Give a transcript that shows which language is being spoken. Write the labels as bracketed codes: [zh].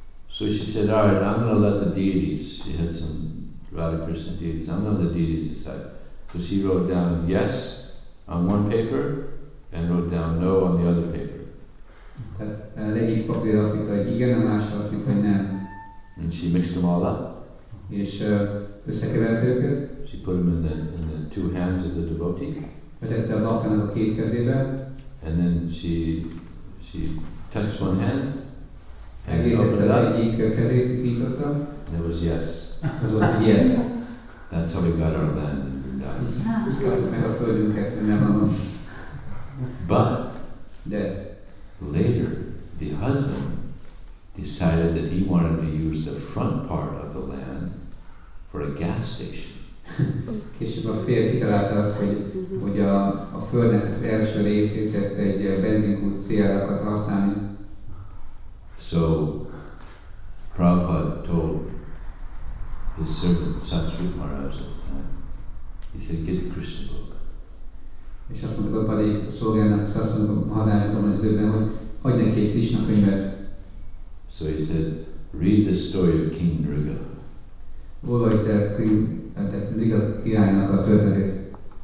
[en] So she said, all right, I'm going to let the deities, she had some Radha Krishna deities, I'm going to let the deities decide. So she wrote down yes on one paper and wrote down no on the other paper. [hu] Tehát az egyik papír azt hitt, hogy igen, a másik azt hitt, hogy nem. [en] And she mixed them all up. [hu] És összekeverte őket. [en] She put them in the two hands of the devotee. [hu] Betette a baktának a két kezébe. [en] And then she touched one hand. And it was yes. Yes. That's how we got our land in Vrindavan. But then later the husband decided that he wanted to use the front part of the land for a gas station. [hu] Később a férj kitalálta azt, hogy a földnek az első részét ezt egy benzinkút céljára akart használni. [en] So Prabhupada told his servant Satsri Maharaj at the time, he said, get the Krishna book. [hu] És azt mondta Prabhupada szolgálnak Satsri Maharajnak az időben, hogy adj neki egy Krishna könyvet. [en] So he said, read the story of King Nriga. [hu] Olvasd el Nriga királynak a történetét.